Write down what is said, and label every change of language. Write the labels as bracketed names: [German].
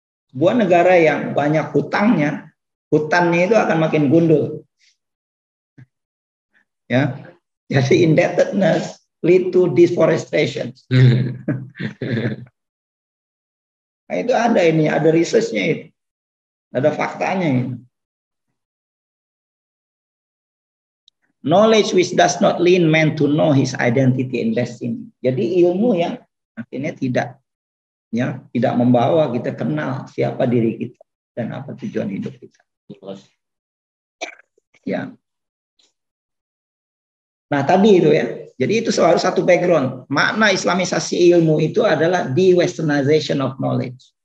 [Indonesian] Sebuah negara yang banyak hutangnya, hutannya itu akan makin gundul. Ya. Jadi [English] indebtedness lead to deforestation. [Indonesian] Nah, itu ada ini, ada research-nya itu. Ada faktanya ini. [English] Knowledge which does not lead man to know his identity in destiny. [Indonesian] Jadi ilmu yang akhirnya tidak, ya, tidak membawa kita kenal siapa diri kita dan apa tujuan hidup kita. Ya. Nah, tadi itu ya. Jadi itu selalu satu background. Makna islamisasi ilmu itu adalah [English] the westernization of knowledge.